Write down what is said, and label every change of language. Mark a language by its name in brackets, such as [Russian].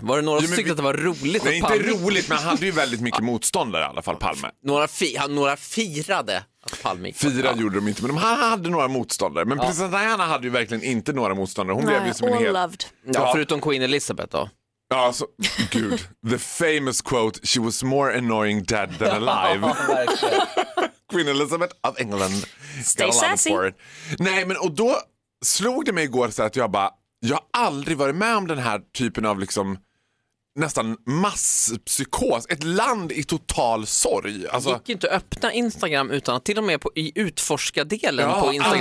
[Swedish] Var det några som tyckte att det var roligt? Nej, inte roligt, men han hade ju väldigt mycket motståndare i alla fall, Palme. Några firade att Palme gick. Fira gjorde de inte, men han hade några motståndare. Men prinsessan Diana hade ju verkligen inte några motståndare. Hon blev ju som en hel... [English] Loved. [Swedish] Ja, förutom Queen Elizabeth då. Ja, så, gud. [English] The famous quote, she was more annoying dead than alive. Queen Elizabeth of England. Stay sassy. [Swedish] Nej, men och då... Slog det mig igår så att jag bara, jag har aldrig varit med om den här typen av liksom nästan masspsykos. Ett land i total sorg. Alltså, gick inte att öppna Instagram utan att till och med i utforska-delen på Instagram